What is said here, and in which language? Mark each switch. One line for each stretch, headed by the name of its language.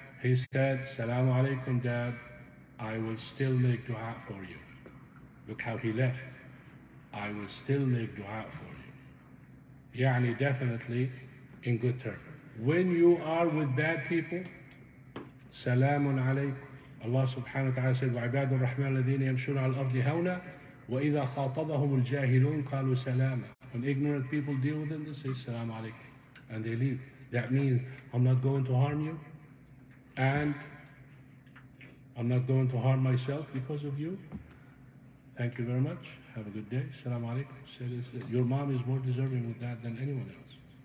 English: He said, Salaamu Alaikum, Dad. I will still make dua for you. Look how he left. I will still make dua for you. Yani, definitely in good terms. When you are with bad people, Salaamu Alaikum. Allah subhanahu wa ta'ala said,
Arabic: وَعِبَادُ الرَّحْمَنِ الَّذِينَ يَمْشُونَ عَلَى الْأَرْضِ هَوْنًا وَإِذَا خَاطَبَهُمُ الْجَاهِلُونَ قَالُوا سَلَامًا.
English: When ignorant people deal with them, they say, Salaamu Alaikum, and they leave. That means, I'm not going to harm you, and I'm not going to harm myself because of you. Thank you very much. Have a good day. Salaamu Alaikum. Say this. Your mom is more deserving with that than anyone else.